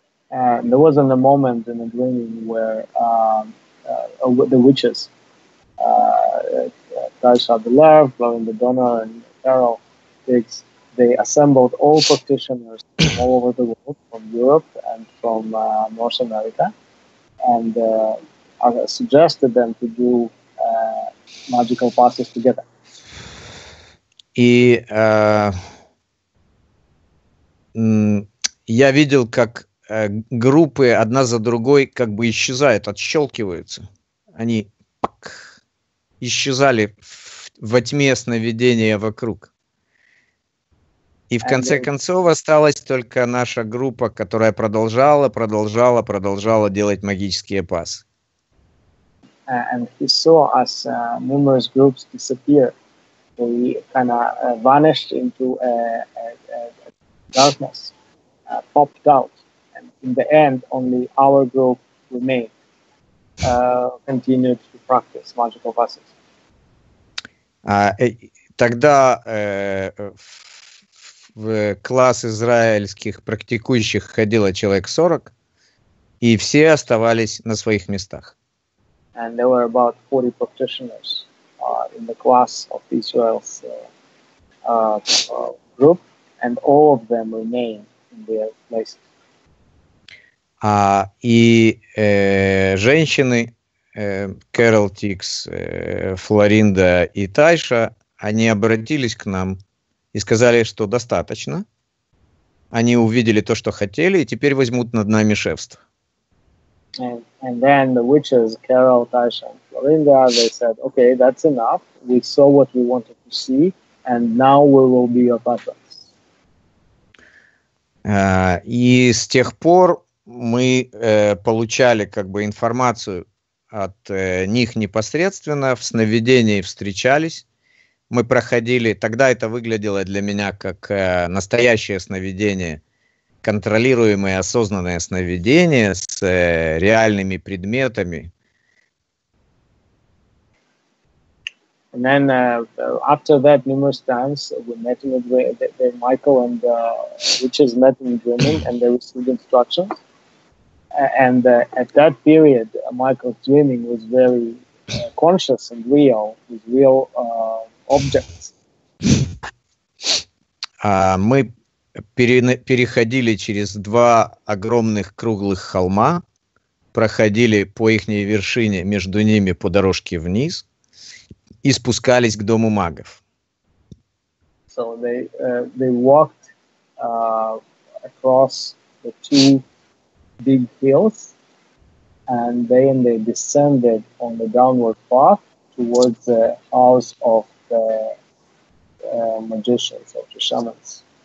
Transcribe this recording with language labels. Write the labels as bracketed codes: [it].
[en] There wasn't a moment in a dreaming where the witches, Tasha Abelar, Florinda Donner, and Carol Diggs, they assembled all practitioners from all over the world, from Europe and from North America, and suggested them to do magical passes together. [ru] Я видел, как группы одна за другой как бы исчезают, отщелкиваются. Они пак, исчезали во тьме сновидения вокруг. И в конце концов осталась только наша группа, которая продолжала делать магические пасы. [en] And he saw us numerous groups disappear. We kind of vanished into a darkness, popped out. In the end, only our group remained, continued to practice magical passes. [ru] Тогда в класс израильских практикующих ходило человек 40, и все оставались на своих местах. [en] And there were about 40 practitioners in the class of Israel's group, and all of them remained in their places. [ru] Женщины, Кэрол Тикс, Флоринда и Тайша, они обратились к нам и сказали, что достаточно. Они увидели то, что хотели, и теперь возьмут над нами шефство. [en] And then the witches, Carol, Tasha, and Florinda, they said, okay, that's enough. We saw what we wanted to see, and now we will be your patrons. [ru] И с тех пор мы получали как бы информацию от них непосредственно, в сновидении встречались. Мы проходили, тогда это выглядело для меня как настоящее сновидение, контролируемое осознанное сновидение с реальными предметами. [en] And then after that numerous times we met in a dream, Michael and the witches met in dreaming and they received instructions. And at that period Michael's dreaming was very conscious and real, with real objects. [ru] Мы переходили через два огромных круглых холма, проходили по их вершине, между ними по дорожке вниз, и спускались к дому магов. [en] So they walked across the two big hills, and they descended on the downward path towards the house of magicians or the shamans.